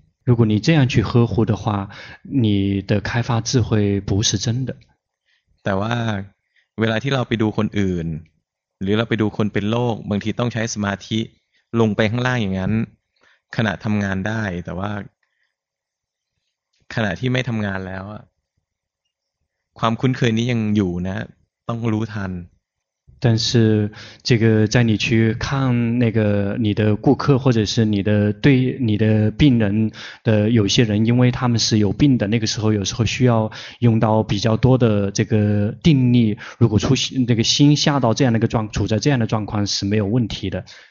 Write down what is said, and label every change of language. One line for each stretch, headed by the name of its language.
Chinese: 如果你这样去呵护的话你的开发智慧不是真的
Thai: แต่ว่าเวลาที่เราไปดูคนอื่นหรือเราไปดูคนเป็นโรคบางทีต้องใช้สมาธิลงไปข้างล่างอย่างนั้นขณะทำงานได้แต่ว่าขณะที่ไม่ทำงานแล้วความคุ้นเคยนี้ยังอยู่นะต้องรู้ทัน
Chinese: 但是这个在你去看那个你的顾客或者是你的病人的有些人因为他们是有病的那个时候有时候需要用到比较多的这个定力如果出那个心下到这样的一个状处在这样的状况是没有问题的